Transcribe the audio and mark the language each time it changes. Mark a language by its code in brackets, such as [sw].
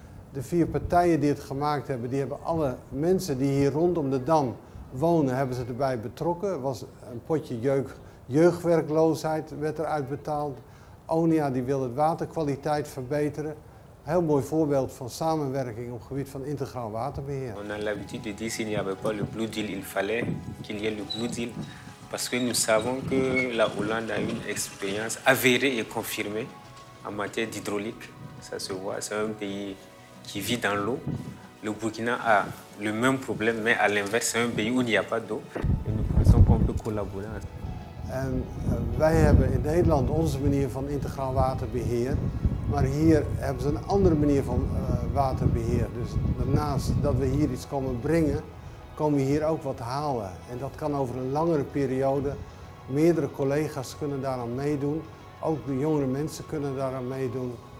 [nl] De vier partijen die het gemaakt hebben, die hebben alle mensen die hier rondom de dam wonen, hebben ze erbij betrokken. Er was een potje jeugdwerkloosheid, werd eruit betaald. ONIA die wil het waterkwaliteit verbeteren. Heel mooi voorbeeld van samenwerking op het gebied van integraal waterbeheer. [fr] On a l'habitude de dire s'il n'y avait pas le Blue Deal, il fallait qu'il y ait le Blue Deal. Parce que nous savons que la Hollande a une expérience avérée et confirmée en matière d'hydraulique. Ça se voit, c'est un pays qui vit dans l'eau. Le Burkina a le même problème, mais à l'inverse, c'est un pays où il n'y a pas d'eau. Et nous pensons qu'on peut collaborer. [nl] En wij hebben in Nederland onze manier van integraal waterbeheer, maar hier hebben ze een andere manier van waterbeheer. Dus daarnaast dat we hier iets komen brengen, komen we hier ook wat halen. En dat kan over een langere periode. Meerdere collega's kunnen daaraan meedoen, ook de jongere mensen kunnen daaraan meedoen.